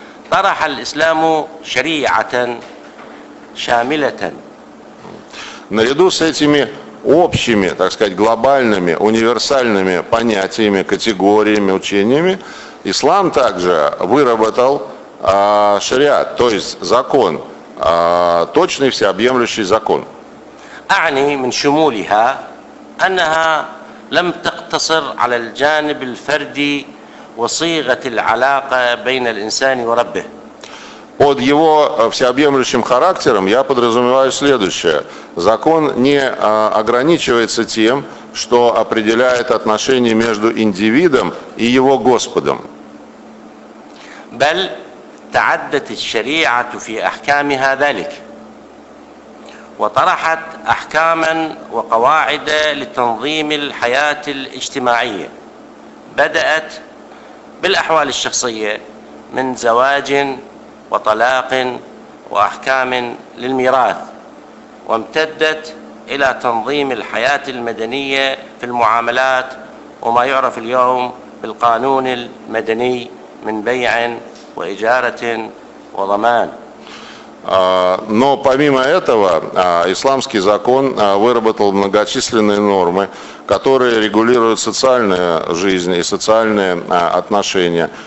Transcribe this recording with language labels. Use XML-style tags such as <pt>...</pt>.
<ar>طرح الإسلام شريعة شاملة.</ar> <ru>Наряду с этими общими, так сказать, глобальными, универсальными понятиями, категориями, учениями, ислам также выработал шариат, то есть закон, точный всеобъемлющий закон.</ru> <ar>أعني من شمولها أنها لم تقتصر على الجانب الفردي وصيغة العلاقة بين الإنسان وربه.</ar> <ru>Под его всеобъемлющим характером я подразумеваю следующее. Закон не ограничивается тем, что определяет отношения между индивидом и его Господом.</ru> <ar>بل تعدت الشريعة في أحكامها ذلك وطرحت أحكاما وقواعد لتنظيم الحياة الاجتماعية بدأت بالأحوال الشخصية من زواج وطلاق وأحكام للميراث وامتدت إلى تنظيم الحياة المدنية في المعاملات وما يعرف اليوم بالقانون المدني من بيع وإجارة وضمان.</ar> <ru>Но помимо этого, исламский закон выработал многочисленные нормы, которые регулируют социальную жизнь и социальные отношения.</ru>